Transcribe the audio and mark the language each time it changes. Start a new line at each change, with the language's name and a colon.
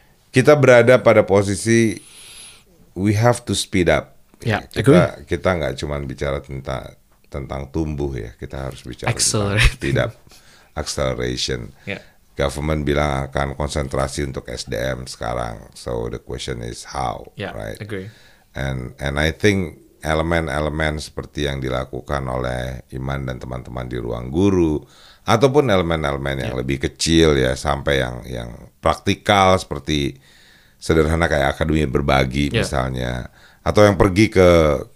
Indonesian: Kita berada pada posisi
English: we have to speed up.
Indonesian: Kita nggak cuma bicara tentang tumbuh ya, kita harus bicara tidak acceleration.
English: Yeah.
Indonesian: Government bilang akan konsentrasi untuk SDM sekarang.
English: So the question is how, right? Agree. And I think
Indonesian: elemen-elemen seperti yang dilakukan oleh Iman dan teman-teman di Ruang Guru ataupun elemen-elemen yang lebih kecil ya, sampai yang praktikal seperti sederhana kayak Akademi Berbagi misalnya, atau yang pergi ke